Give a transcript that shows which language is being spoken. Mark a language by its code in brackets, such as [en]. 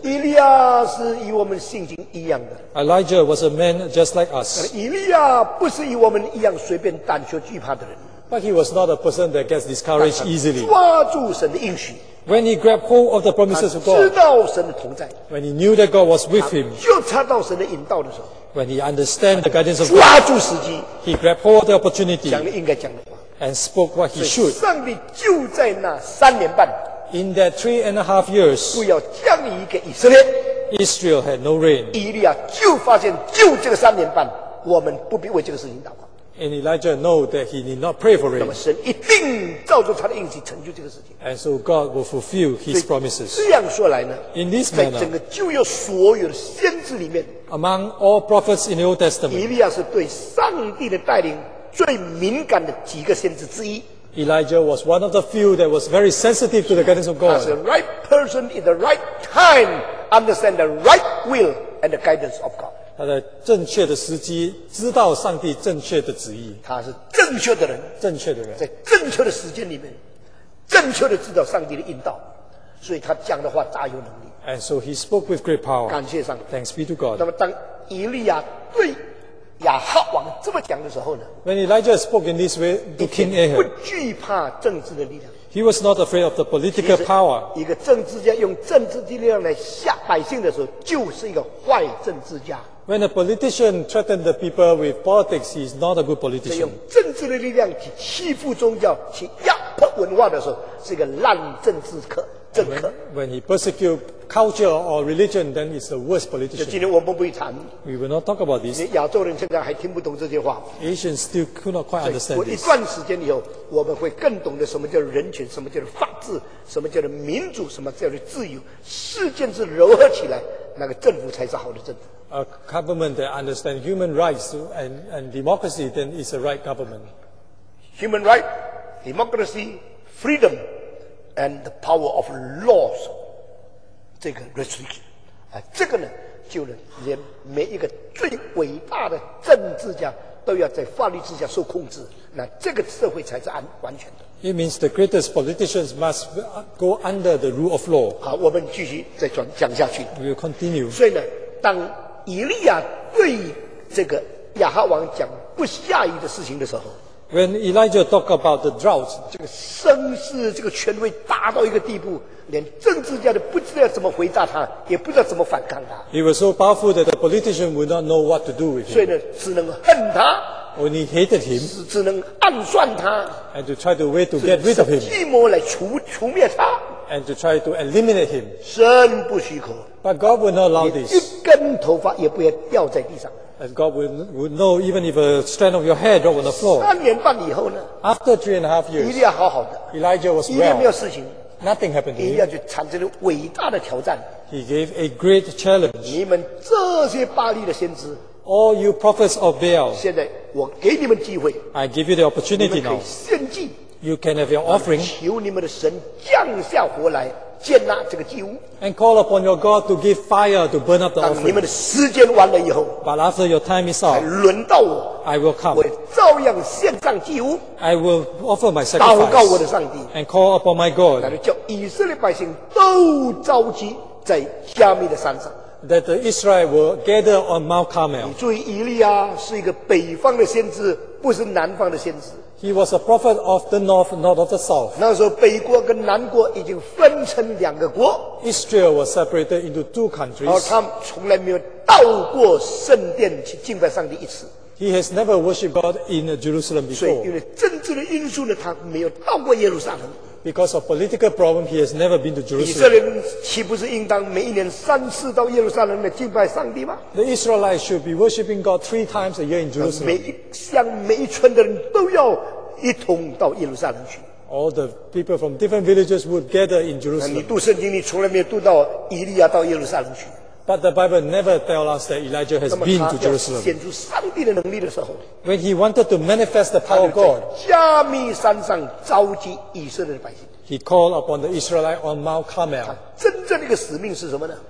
[zh] 以利亚是与我们信心一样的。 [en] Elijah was a man just like us. [zh] 以利亚不是与我们一样随便胆怯惧怕的人。 [en] But he was not a person that gets discouraged easily. [zh] 抓住神的应许。 [en] When he grabbed hold of the promises of God. [zh] 知道神的同在。 [en] When he knew that God was with him. [zh] 就查到神的引导的时候。 [en] When he understand the guidance of God. [zh] 抓住时机。 [en] He grabbed hold of the opportunity. [zh] 讲了应该讲的话。 [en] And spoke what he should. [zh] 上帝就在那三年半。 [en] In that 3.5 years. [zh] 不要降雨给以色列。 [en] Israel had no rain. [zh] 以利亚就发现，就这个三年半，我们不必为这个事情祷告。 [en] And Elijah know that he need not pray for rain. [zh] 那么神一定照着他的应许成就这个事情。 [en] And so God will fulfill his promises. [zh] 这样说来呢 [en] ？In this manner. [zh] 在整个旧约所有的先知里面 [en] ，Among all prophets in the Old Testament. [zh] 以利亚是对上帝的带领。最敏感的几个先知之一 [en] Elijah was one of the few that was very sensitive to the guidance of God. [zh] 他是 [en] right person in the right time, understand the right will and the guidance of God. [zh] 他在正确的时机知道上帝正确的旨意。他是正确的人，正确的人在正确的时间里面，正确的知道上帝的引导，所以他讲的话大有能力。 [en] And so he spoke with great power. [zh] 感谢上帝。 [en] Thanks be to God. [zh] 那么当以利亚对亚哈王这么讲的时候呢 [en] ？When Elijah spoke in this way to King Ahab, [zh] 不惧怕政治的力量。 [en] He was not afraid of the political power. [zh] 一个政治家用政治力量来吓百姓的时候，就是一个坏政治家。 [en] When a politician threatens the people with politics, he is not a good politician. [zh] 用政治的力量去欺负宗教、去压迫文化的时候，是一个烂政治客。 [en] When he persecutes culture or religion, then he's the worst politician. We will not talk about this. Asians still could not quite understand this. [zh] 一段时间以后，我们会更懂得什么叫人权，什么叫法治，什么叫民主，什么叫自由。世界是柔和起来，那个政府才是好的政府。 [en] A government that understands human rights and democracy, then it's the right government. Human right, democracy, freedom. And the power of laws, [zh] 这个 restriction, 这个呢，就是连每一个最伟大的政治家都要在法律之下受控制，那这个社会才是完全的。 [en] It means the greatest politicians must go under the rule of law. [zh] 好，我们继续再讲下去。 [en] We will continue. [zh] 所以呢，当以利亚对这个亚哈王讲不下雨的事情的时候。 [en] When Elijah talked about the drought, [zh] 这个声势、这个权威大到一个地步，连政治家都不知道怎么回答他，也不知道怎么反抗他。 [en] He was so powerful that the politician would not know what to do with him. [zh] 所以呢，只能恨他。 [en] Only hated him. [zh] 只能暗算他。 [en] And to try to way to get rid of him. [zh] 计谋来除灭他。 [en] And to try to eliminate him. [zh] 神不许可。 [en] But God would not allow this. [zh] 一根头发也不要掉在地上。 [en] And God would know even if a strand of your hair dropped on the floor. [zh] 三年半以后呢 [en] After 3.5 years, [zh] 以利亚好好的 [en] Elijah was well. [zh] 以利亚没有事情 [en] Nothing happened to him. [zh] 以利亚就产生了伟大的挑战 [en] He gave a great challenge. [zh] 你们这些巴利的先知 [en] All you prophets of Baal. [zh] 现在我给你们机会 [en] I give you the opportunity now. [zh] 你们可以献祭 [en] You can have your offering. [zh] 求你们的神降下火来接纳这个祭物 [en] and call upon your God to give fire to burn up the offering. [zh] 当你们的时间完了以后 [en] but after your time is out, [zh] 轮到我 [en] I will come. [zh] 我照样献上祭物 [en] I will offer my sacrifice. [zh] 祷告我的上帝 [en] and call upon my God. [zh] 那就叫以色列百姓都召集在加密的山上 [en] that the Israel will gather on Mount Carmel. [zh] 你注意以利亚是一个北方的先知，不是南方的先知。 [en] He was a prophet of the north, not of the south. [zh] 那时候北国跟南国已经分成两个国。 [en] Israel was separated into two countries. [zh] 而他从来没有到过圣殿去敬拜上帝一次。 [en] He has never worshipped God in Jerusalem before. [zh] 所以因为政治的因素呢，他没有到过耶路撒冷。 [en] Because of political problem, he has never been to Jerusalem. [zh] 以色列人岂不是应当每一年三次到耶路撒冷来敬拜上帝吗 [en] ？The Israelites should be worshiping God 3 times a year in Jerusalem. [zh] 每一乡、每一村的人都要一同到耶路撒冷去。 [en] All the people from different villages would gather in Jerusalem. [zh] 你读圣经，你从来没有读到以利亚到耶路撒冷去。 [en] But the Bible never tells us that Elijah has been to Jerusalem. When he wanted to manifest the power of God, he called upon the Israelites on Mount Carmel.